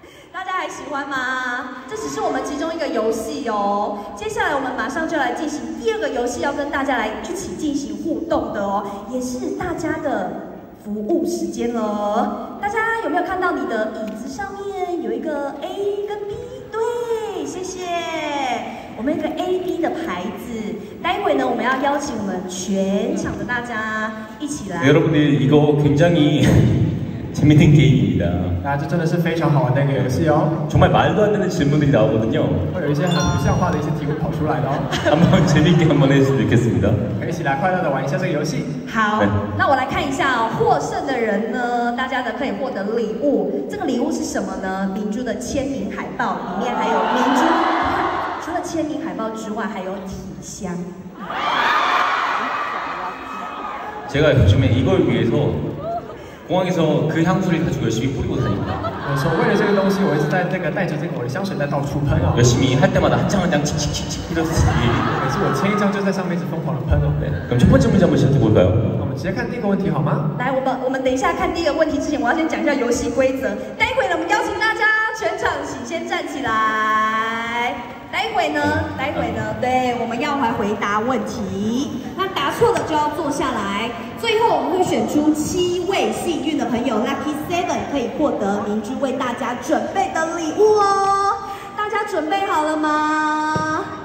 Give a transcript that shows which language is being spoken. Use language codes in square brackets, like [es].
[zh] 大家还喜欢吗这只是我们其中一个游戏哦接下来我们马上就来进行第二个游戏要跟大家来一起进行互动的哦也是大家的服务时间了大家有没有看到你的椅子上面有一个 A 跟 B 对谢谢我们一个 AB 的牌子待会呢我们要邀请我们全场的大家一起来 [ko] 여러분들이거굉장히재밌는게임입니다 [zh] 那这真的是非常好玩的一个游戏哦 [ko] 정말말도안되는질문들이나오거든요 [zh] 会有一些很不像话的一些题目跑出来的哦 [ko] 한번재밌게한번해주겠습니다 [zh] 一起来快乐的玩一下这个游戏好、네、那我来看一下哦获胜的人呢大家的可以获得礼物这个礼物是什么呢明珠的签名海报里面还有明珠除了签名海报之外还有体香 [ko] 제가요즘에이걸위해서공항에서그향수를가지고열심히뿌리고다닙니다 [zh] 我说为了这个东西我一直在这个带着这个我的香水在到处喷啊 [ko] 열심히할때마다한장한장칙칙칙칙뿌려서 [zh] 每次我签一张就在上面一直疯狂的喷哦 [ko] 그럼첫번째문제한번시작해볼까요 [zh] 我们直接看第一个问题好吗来我们等一下看第一个问题之前我要先讲一下游戏规则待会呢我们邀请大家全场请先站起来待会呢对我们要来回答问题那答错了就要坐下来最后我们会选出七位幸运的朋友 Lucky Seven 可以获得明珠为大家准备的礼物哦大家准备好了吗